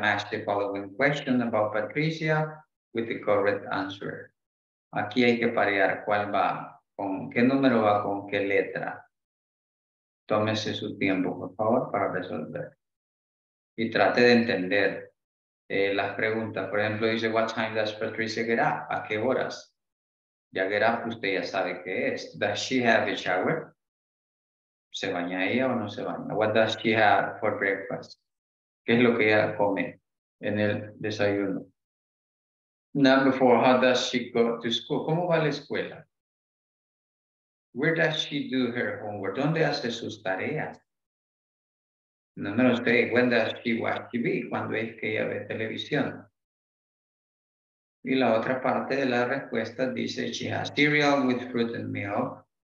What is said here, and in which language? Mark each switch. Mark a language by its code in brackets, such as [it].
[en] Match the following question about Patricia with the correct answer. [es] Aquí hay que parear cuál va con qué número va con qué letra. tómese su tiempo, por favor, para resolver. Y trate de entender las preguntas. Por ejemplo, dice, [en] what time does Patricia get up? [es] ¿A qué horas? Ya get up, usted ya sabe qué es. [en] Does she have a shower? [es] ¿Se baña ella o no se baña? [en] What does she have for breakfast? [es] ¿Qué es lo que ella come en el desayuno? [en] Number four, how does she go to school? [es] ¿Cómo va a la escuela? [en] Where does she do her homework? [es] ¿Dónde hace sus tareas? Número tres, [en] when does she watch TV? [es] ¿Cuándo es que ella ve televisión? Y la otra parte de la respuesta dice, [en] she has cereal with fruit and milk.